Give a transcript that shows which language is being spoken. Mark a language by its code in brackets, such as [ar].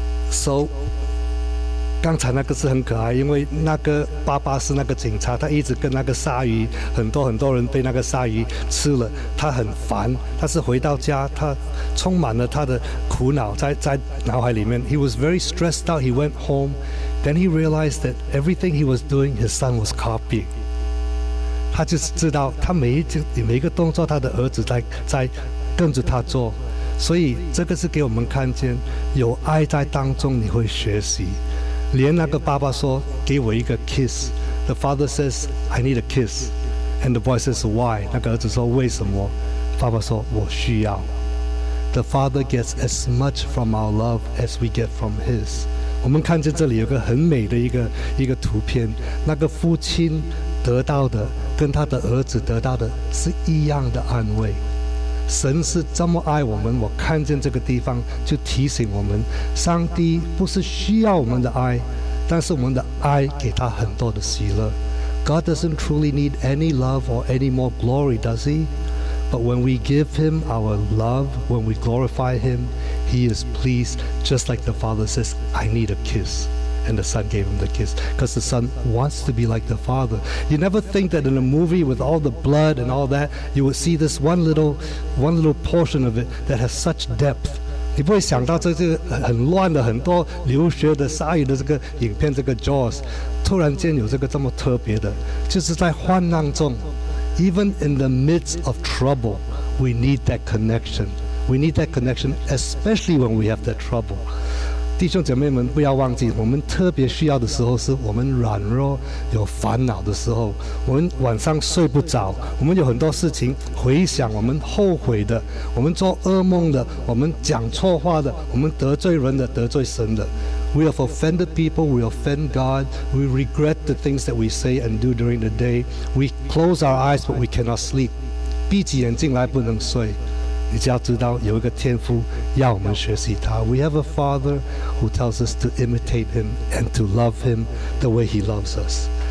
[zh] So, 刚才那个是很可爱，因为那个爸爸是那个警察，他一直跟那个鲨鱼，很多很多人被那个鲨鱼吃了，他很烦，他是回到家，他充满了他的苦恼在脑海里面。 [en] He was very stressed out, he went home, then he realized that everything he was doing, his son was copying. [zh] 他就知道他每一个动作他的儿子在跟着他做。所以这个是给我们看见有爱在当中你会学习，连那个爸爸说给我一个 kiss， [en] the father says I need a kiss， and the boy says why， [zh] 那个儿子说为什么，爸爸说我需要。 [en] The father gets as much from our love as we get from his。 [zh] 我们看见这里有个很美的一个图片，那个父亲得到的跟他的儿子得到的是一样的安慰。神是这么爱我们，我看见这个地方就提醒我们，上帝不是需要我们的爱，但是我们的爱给他很多的喜乐。 [en] God doesn't truly need any love or any more glory, does he? But when we give him our love, when we glorify him, he is pleased, just like the father says, I need a kiss. And the son gave him the kiss, because the son wants to be like the father. You never think that in a movie with all the blood and all that, you would see this one little portion of it that has such depth. [zh] 你不会想到这是很乱的，很多流血的、鲨鱼的这个影片，这个 Jaws， 突然间有这个这么特别的，就是在患难中 ， [en] even in the midst of trouble, we need that connection. We need that connection, especially when we have that trouble. [zh] 弟兄姐妹们，不要忘记，我们特别需要的时候是我们软弱有烦恼的时候，我们晚上睡不着，我们有很多事情回想，我们后悔的，我们做噩梦的，我们讲错话的，我们得罪人的，得罪神的。 [en] We have offended people, we offend God, we regret the things that we say and do during the day. We close our eyes but we cannot sleep. [zh] 闭起眼睛来不能睡。你只要知道有一个天父要我们学习他。 [en] We have a father who tells us to imitate him and to love him the way he loves us.